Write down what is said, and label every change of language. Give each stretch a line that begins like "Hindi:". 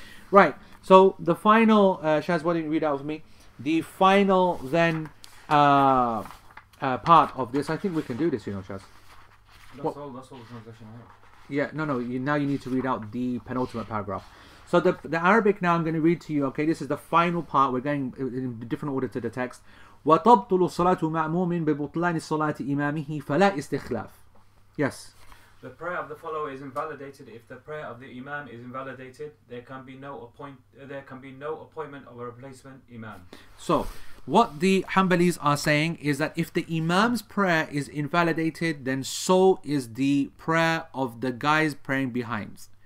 English: Right, so the final, Shaz, why don't you read out for me? The final then part of this, I think we can do this, you know, Shaz. That's all the translation I have. Yeah, no. Now you need to read out the penultimate paragraph. So the Arabic now I'm going to read to you. Okay, this is the final part. We're going in a different order to the text.
Arabic: وتبطل الصلاة مأموم ببطلان الصلاة إمامه فلا استخلاف.
English: Yes. The prayer of the follower is invalidated if the prayer of the imam is invalidated. There can be no appointment of a replacement imam. So, what the Hanbalis are saying is that if the imam's prayer is invalidated, then so is the prayer of the guys praying behind.